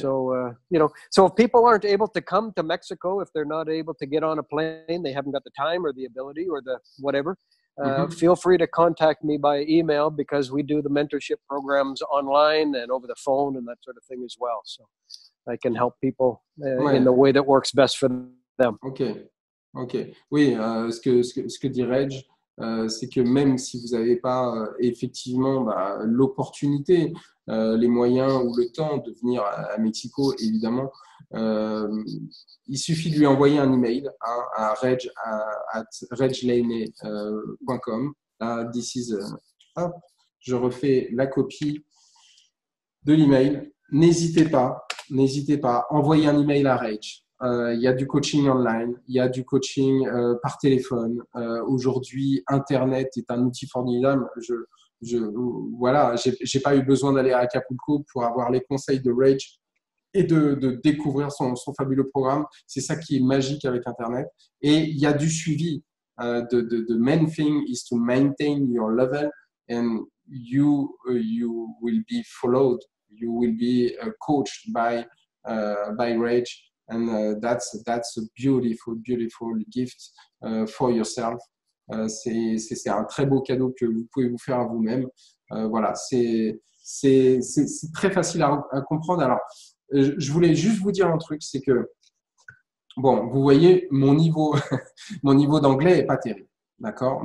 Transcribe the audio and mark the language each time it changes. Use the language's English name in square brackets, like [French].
[English] So, you know, so if people aren't able to come to Mexico, if they're not able to get on a plane, they haven't got the time or the ability or the whatever, feel free to contact me by email because we do the mentorship programs online and over the phone and that sort of thing as well. So I can help people in the way that works best for them. Okay. Okay. [French] Oui, ce que dit Reg, c'est que même si vous n'avez pas effectivement l'opportunité, les moyens ou le temps de venir à Mexico, évidemment, il suffit de lui envoyer un email à reg@reglaine.com. [English] This is. [French] Je refais la copie de l'email. N'hésitez pas, envoyez un email à Reg. Il y a du coaching online, il y a du coaching par téléphone. Aujourd'hui, Internet est un outil formidable. J'ai pas eu besoin d'aller à Acapulco pour avoir les conseils de Rage et de découvrir son fabuleux programme. C'est ça qui est magique avec Internet. Et il y a du suivi. [English] The main thing is to maintain your level and you will be followed. You will be coached by Rage. And that's a beautiful, beautiful gift for yourself. [French] C'est un très beau cadeau que vous pouvez vous faire à vous-même. Voilà, c'est très facile à comprendre. Alors, je voulais juste vous dire un truc, c'est que, bon, vous voyez, mon niveau d'anglais n'est pas terrible, d'accord?